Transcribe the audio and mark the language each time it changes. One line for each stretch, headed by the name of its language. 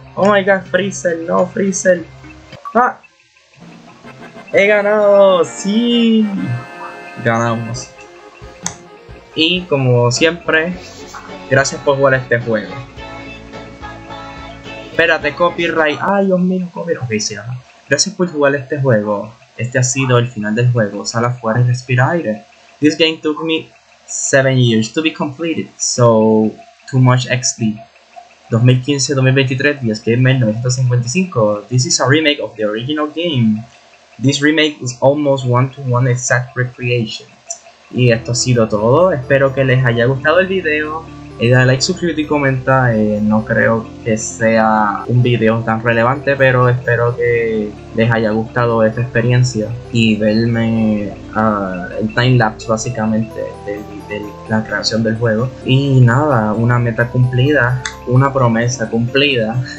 English: Oh my god,
Spanish: Freezer, no, Freezer. ¡Ah! ¡He ganado! ¡Sí! Ganamos. Y como siempre, gracias por jugar este juego. Espérate, copyright. ¡Ay, Dios mío, copyright! Ok, sí, ya. Gracias por jugar este juego. Este ha sido el final del juego. Sal afuera y respira aire.
English: This game took me 7 years to be completed, so too much XD. 2015-2023, DS Gamer 955. This is a remake of the original game. This remake is almost one-to-one exact recreation.
Spanish: Y esto ha sido todo. Espero que les haya gustado el video. Dale like, suscríbete y comenta. No creo que sea un video tan relevante, pero espero que les haya gustado esta experiencia y verme el timelapse básicamente de la creación del juego. Y nada, una meta cumplida, una promesa cumplida.